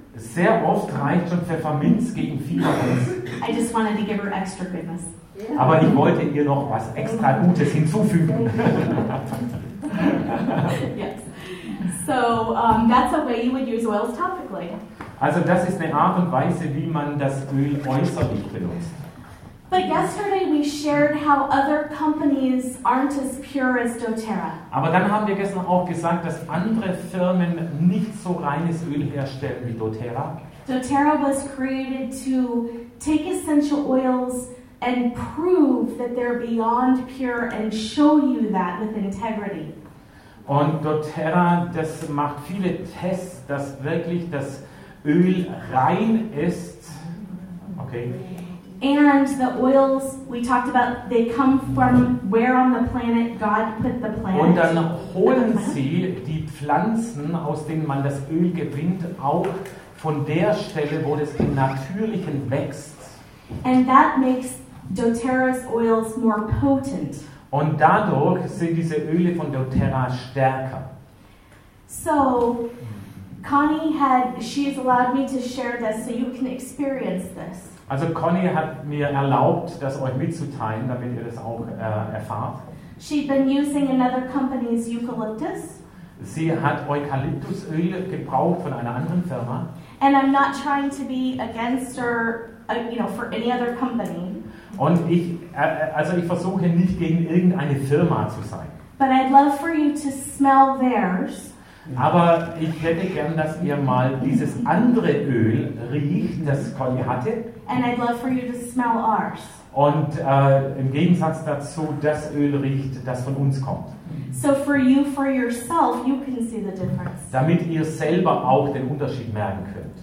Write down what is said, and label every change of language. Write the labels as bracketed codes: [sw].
[de] Sehr oft reicht schon Pfefferminz gegen Fieber aus. [en] I just wanted to give her extra goodness. Yeah. [de] Aber ich wollte ihr noch was extra Gutes hinzufügen. [en] Yes. So that's a way you would use oils topically. [de] Also das ist eine Art und Weise, wie man das Öl äußerlich benutzt. [en] But yesterday we shared how other companies aren't as pure as doTERRA. [de] Aber dann haben wir gestern auch gesagt, dass andere Firmen nicht so reines Öl herstellen wie doTERRA. [en] doTERRA was created to take essential oils and prove that they're beyond pure and show you that with integrity. [de] Und doTERRA, das macht viele Tests, dass wirklich das Öl rein ist. [en] Okay. And the oils we talked about, they come from where on the planet God put the plant. [de] Und dann holen sie die Pflanzen, aus denen man das Öl gewinnt, auch von der Stelle, wo das im Natürlichen wächst. [en] And that makes doTERRA's oils more potent. [de] Und dadurch sind diese Öle von doTERRA stärker. [en] So Connie had, she's allowed me to share this so you can experience this. [de] Also Connie hat mir erlaubt, das euch mitzuteilen, damit ihr das auch erfahrt. [en] She'd been using another company's eucalyptus. [de] Sie hat Eukalyptusöl gebraucht von einer anderen Firma. [en] And I'm not trying to be against her, you know, for any other company. [de] Und ich, also ich versuche nicht gegen irgendeine Firma zu sein. [en] But I'd love for you to smell theirs. [de] Aber ich hätte gern, dass ihr mal dieses andere Öl riecht, das Conny hatte. [en] And I'd love for you to smell ours. [de] Und im Gegensatz dazu, das Öl riecht, das von uns kommt. [en] So for you, for yourself, you can see the difference. [de] Damit ihr selber auch den Unterschied merken könnt.